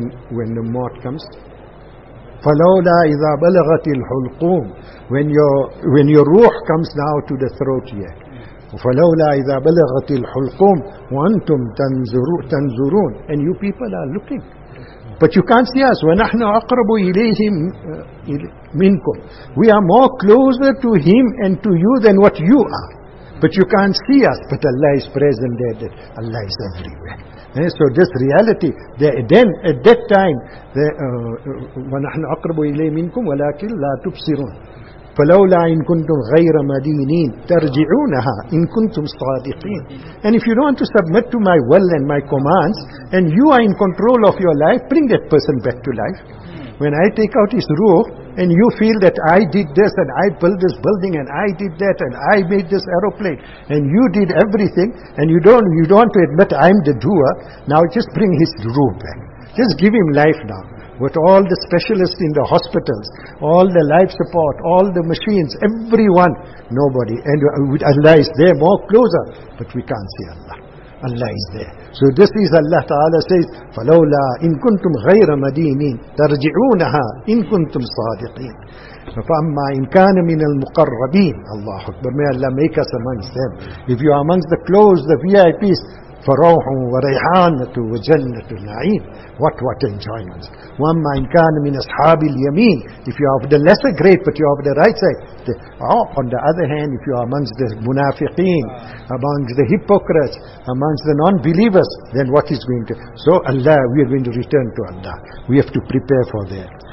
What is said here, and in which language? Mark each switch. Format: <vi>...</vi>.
<en>When the mort comes.</en> <ar>فَلَوْلَا إِذَا بَلَغَتِ الْحُلْقُومِ</ar> <en>When your ruh comes now to the throat here.</en> <ar>فَلَوْلَا إِذَا بَلَغَتِ الْحُلْقُومِ وَأَنْتُمْ تَنْزُرُونَ</ar> <en>And you people are looking. But you can't see us.</en> <ar>وَنَحْنُ أَقْرَبُ إِلَيْهِمْ مِنْكُمْ</ar> <en>We are more closer to him and to you than what you are. But you can't see us. But Allah is present there. Allah is everywhere. So this reality, then at that time,</en> <ar>وَنَحْنُ أَقْرَبُ إِلَيْهِمْ مِنْكُمْ وَلَكِنْ لَا تُبْصِرُونَ فَلَوْلَا إِن كُنْتُمْ غَيْرَ مَدِينِينَ تَرْجِعُونَهَا إِن كُنْتُمْ صَادِقِينَ</ar> <en>And if you don't want to submit to my will and my commands, and you are in control of your life, bring that person back to life. When I take out his ruh, and you feel that I did this, and I built this building, and I did that, and I made this aeroplane, and you did everything, and you don't want to admit I'm the doer, now just bring his ruh back. Just give him life now. With all the specialists in the hospitals, all the life support, all the machines, everyone, nobody. And Allah is there more closer, but we can't see Allah. Allah is there. So this is Allah Ta'ala says,</en> <ar>فَلَوْلَا إِن كُنْتُمْ غَيْرَ مَدِينِينَ تَرْجِعُونَهَا إِن كُنْتُمْ صَادِقِينَ فَأَمَّا إِن كَانَ مِنَ الْمُقَرَّبِينَ الله أكبر.</ar> <en>May Allah make us amongst them. If you are amongst the close, the VIPs,</en> <ar>فَرَوْحٌ وَرَيْحَانَةٌ وَجَنَّةٌ نَعِيمٌ</ar> <en>What enjoyments.</en> <ar>وَمَّا إِنْ كَانَ مِنْ أَصْحَابِ الْيَمِينِ</ar> <en>If you are of the lesser grade, but you are of the right side. On the other hand, if you are amongst the munafiqeen, amongst the hypocrites, amongst the non-believers, then what is going to... So Allah, we are going to return to Allah. We have to prepare for that.</en>